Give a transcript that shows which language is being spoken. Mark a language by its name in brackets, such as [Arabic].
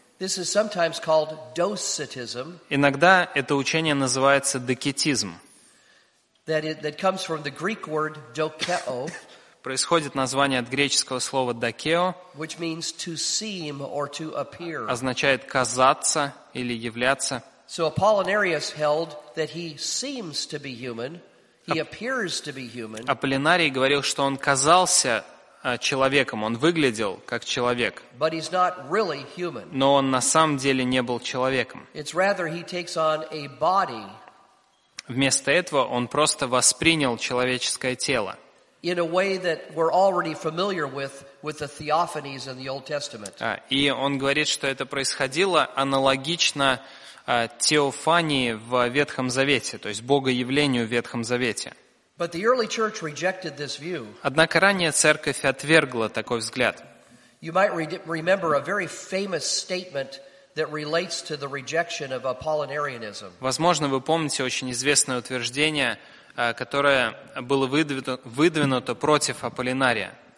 [English] This is sometimes called docetism. [Russian] Иногда это учение называется докетизм. [English] That comes from the Greek word dokeo. [Russian] Происходит название от греческого слова «докео», [English] which means to seem or to appear. [Russian] Означает «казаться» или «являться». [English] So Apollinarius held that he seems to be human, he appears to be human. [Russian] Аполлинарий говорил, что он казался человеком, он выглядел как человек. [English] But he's not really human. [Russian] Но он на самом деле не был человеком. [English] It's rather he takes on a body. [Russian] Вместо этого он просто воспринял человеческое тело. [English] In a way that we're already familiar with the theophanies in the Old Testament. [Russian] И он говорит, что это происходило аналогично теофании в Ветхом Завете, то есть Богоявлению в Ветхом Завете. [English] But the early church rejected this view. [Russian] Однако ранняя церковь отвергла такой взгляд. [English] You might remember a very famous statement that relates to the rejection of Apollinarianism. [Russian] Возможно, вы помните очень известное утверждение, которое было выдвинуто против Аполлинария.